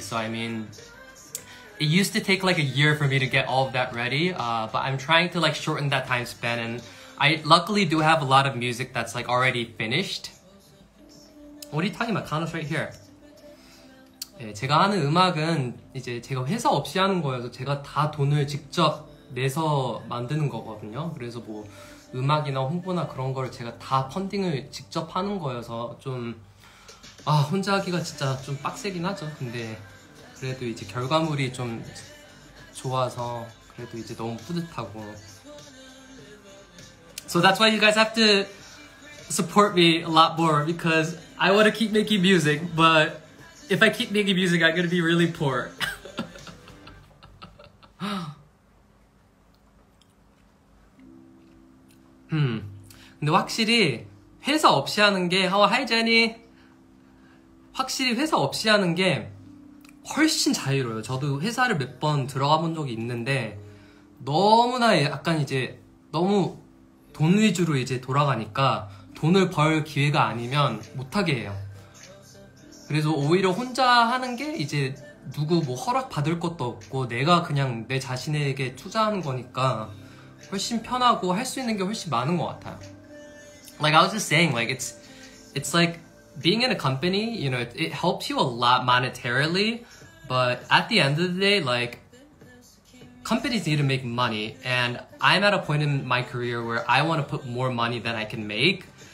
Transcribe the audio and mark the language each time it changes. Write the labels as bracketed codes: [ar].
[en] So I mean, it used to take like a year for me to get all of that ready, but I'm trying to like shorten that time span, and I luckily do have a lot of music that's like already finished. What are you talking about? Kano's right here. [ko] 네, 제가 하는 음악은 이제 제가 회사 없이 하는 거여서 제가 다 돈을 직접 내서 만드는 거거든요. 그래서 뭐 음악이나 홍보나 그런 거를 제가 다 펀딩을 직접 하는 거여서 좀 아, 혼자 하기가 진짜 좀 빡세긴 하죠. 근데 그래도 이제 결과물이 좀 좋아서 그래도 이제 너무 뿌듯하고. [en] So that's why you guys have to support me a lot more, because I want to keep making music, but if I keep making music, I'm going to be really poor. Hmm. [ko] 근데 확실히 회사 없이 하는 게 하와 하이자니 확실히 회사 없이 하는 게 훨씬 자유로워요. 저도 회사를 몇 번 들어가 본 적이 있는데 너무나 약간 이제 너무 돈 위주로 이제 돌아가니까 돈을 벌 기회가 아니면 못하게 해요. 그래서 오히려 혼자 하는 게 이제 누구 뭐 허락 받을 것도 없고 내가 그냥 내 자신에게 투자하는 거니까 훨씬 편하고 할 수 있는 게 훨씬 많은 것 같아요. [en] Like I was just saying, like it's like being in a company, you know, it helps you a lot monetarily, but at the end of the day, like companies need to make money, and I'm at a point in my career where I want to put more money than I can make.